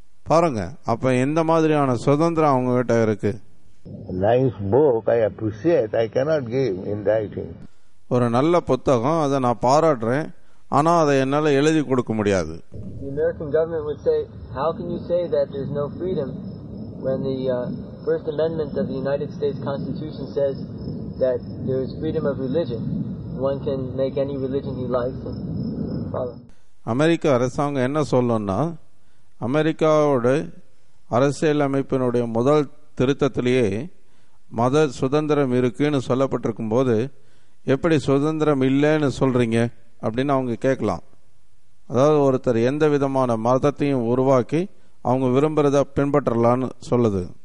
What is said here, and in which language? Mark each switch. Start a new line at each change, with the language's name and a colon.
Tamil: பாருங்க, அப்ப எந்த மாதிரியான சுதந்திரம் அவங்க கிட்ட இருக்கு?
English: Nice book, I appreciate, I cannot give in writing.
Tamil: ஒரு நல்ல புத்தகம், அதை நான் பாராட்டுறேன், ஆனா அதை என்னால எழுதி கொடுக்க முடியாது.
English: The American government would say, how can you say that there's no freedom when the First Amendment of the United States Constitution says that there is freedom of religion. One can make any religion he likes and follow.
Tamil: அமெரிக்க அரசாங்கம் என்ன சொல்லும்னா, அமெரிக்காவோட அரசியல் அமைப்பினுடைய முதல் திருத்தத்திலேயே மத சுதந்திரம் இருக்குன்னு சொல்லப்பட்டிருக்கும் போது எப்படி சுதந்திரம் இல்லைன்னு சொல்றீங்க அப்படின்னு அவங்க கேட்கலாம். அதாவது ஒருத்தர் எந்த விதமான மதத்தையும் உருவாக்கி அவங்க விரும்புறத பின்பற்றலான்னு சொல்லுது.